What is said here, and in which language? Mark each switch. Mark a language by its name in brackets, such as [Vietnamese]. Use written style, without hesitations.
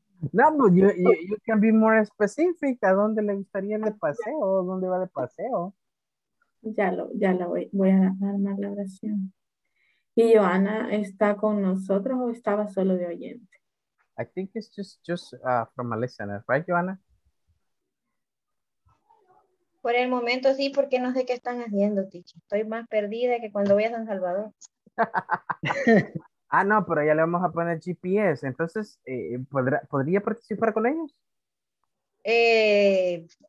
[English] No, but you can be more specific. [Spanish] ¿A dónde le gustaría ir de paseo? ¿Dónde va de paseo? Ya lo voy a armar la oración. Mm-hmm. ¿Y Joana está con nosotros o estaba solo de oyente? [English] I think it's just from a listener, right, Joana? [Spanish] Por el momento sí, porque no sé qué están haciendo, Tichi. Estoy más perdida que cuando voy a San Salvador. Ah, no, pero ya le vamos a poner GPS. Entonces, ¿podría participar con ellos?